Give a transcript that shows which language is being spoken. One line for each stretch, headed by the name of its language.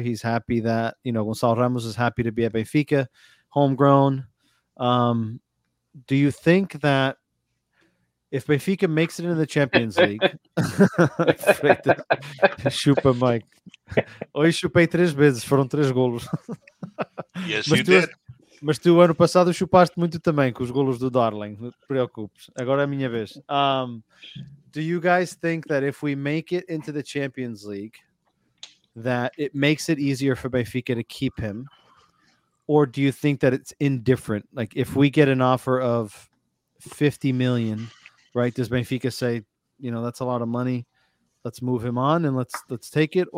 English: He's happy that, you know, Gonzalo Ramos is happy to be at Benfica, homegrown. Do you think that if Benfica makes it into the Champions League, chupa, Mike.
Portuguese: Hoje chupei 3 vezes, foram 3 golos.
English: Yes, mas you did.
Portuguese: Mas tu, ano passado, chupaste muito também com os golos do Darling. Não te preocupes. Agora é a minha vez.
English: Do you guys think that if we make it into the Champions League, that it makes it easier for Benfica to keep him? Or do you think that it's indifferent? Like, if we get an offer of 50 million, right, does Benfica say, you know, that's a lot of money, let's move him on and let's take it?